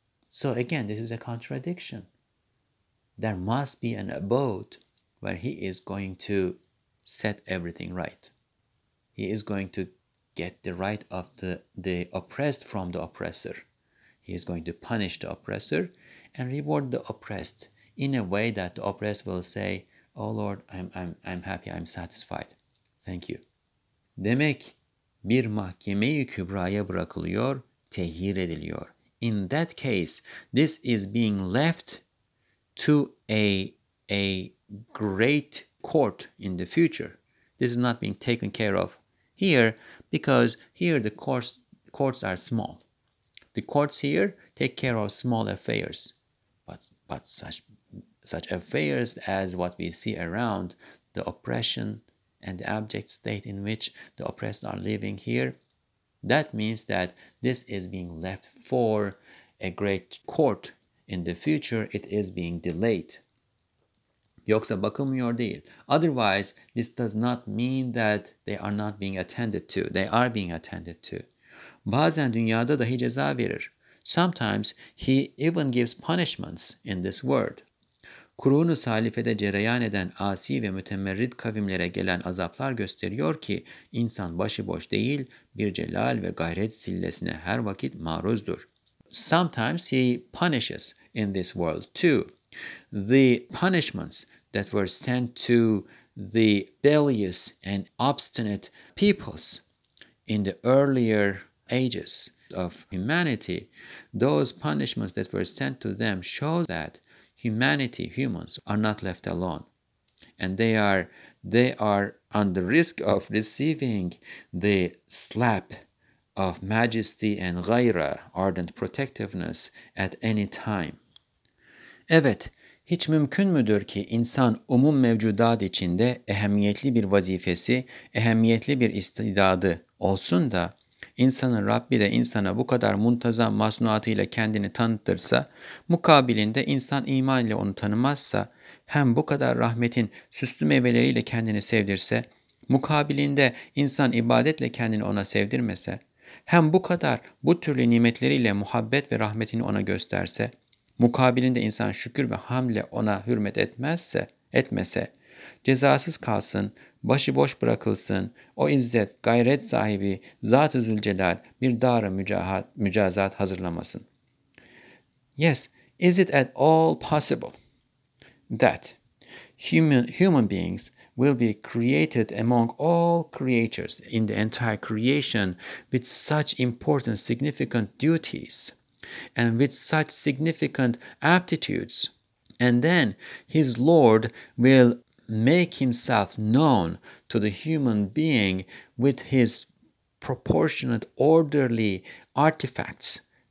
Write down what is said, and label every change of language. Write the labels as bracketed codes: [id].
[en] So again, this is a contradiction. There must be an abode where he is going to set everything right. He is going to get the right of the oppressed from the oppressor. He is going to punish the oppressor and reward the oppressed in a way that the oppressed will say, "Oh Lord, I'm happy, I'm satisfied. Thank you." [tr] Demek bir mahkeme-i kübraya bırakılıyor, tehir ediliyor. [en] In that case, this is being left to a great court in the future. This is not being taken care of here, because here the courts are small. The courts here take care of small affairs. But such affairs as what we see around, the oppression and the abject state in which the oppressed are living here, that means that this is being left for a great court in the future. It is being delayed. [tr] Yoksa bakılmıyor değil. [en] Otherwise, this does not mean that they are not being attended to. They are being attended to. Bazen dünyada dahi ceza verir. Sometimes he even gives punishments in this world. [tr] Kurunu salifede cereyan eden asi ve mütemerrid kavimlere gelen azaplar gösteriyor ki insan başıboş değil, bir celal ve gayret sillesine her vakit maruzdur. [en] Sometimes he punishes in this world too. The punishments that were sent to the rebellious and obstinate peoples in the earlier ages of humanity, those punishments that were sent to them show that humanity, humans, are not left alone. And they are under risk of receiving the slap of majesty and gayra, ardent protectiveness, at any time. [tr] Evet, hiç mümkün müdür ki insan umum mevcudat içinde ehemmiyetli bir vazifesi, ehemmiyetli bir istidadı olsun da, insanın Rabbi de insana bu kadar muntazam masnuatıyla kendini tanıttırsa, mukabilinde insan iman ile onu tanımazsa, hem bu kadar rahmetin süslü meyveleriyle kendini sevdirse, mukabilinde insan ibadetle kendini ona sevdirmese, hem bu kadar bu türlü nimetleriyle muhabbet ve rahmetini ona gösterse, mukabilinde insan şükür ve hamle ona hürmet etmese, cezasız kalsın, başı boş bırakılsın, o izzet, gayret sahibi, Zat-ı Zülcelal bir dar-ı mücazat hazırlamasın. [en] Yes, is it at all possible that human beings will be created among all creatures in the entire creation with such important, significant duties and with such significant aptitudes, and then his Lord will make himself known to the human being with his proportionate, orderly artifacts,